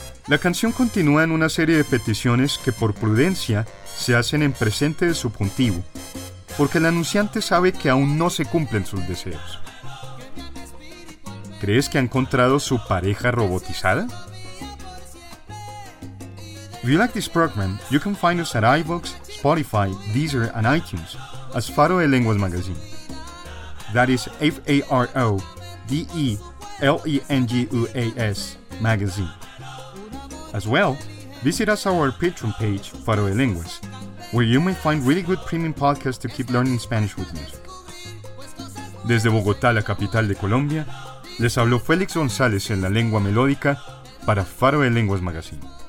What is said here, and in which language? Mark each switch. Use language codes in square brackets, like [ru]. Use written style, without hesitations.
[es] La canción continúa en una serie de peticiones que por prudencia se hacen en presente de subjuntivo, porque el anunciante sabe que aún no se cumplen sus deseos. ¿Crees que ha encontrado su pareja robotizada? [en] If you like this program, you can find us at iVoox, Spotify, Deezer and iTunes as Faro de Lenguas Magazine. That is FaroDeLenguas Magazine. As well, visit us on our Patreon page, Faro de Lenguas, where you may find really good premium podcasts to keep learning Spanish with music. [es] Desde Bogotá, la capital de Colombia, les habló Félix González en la lengua melódica para Faro de Lenguas Magazine.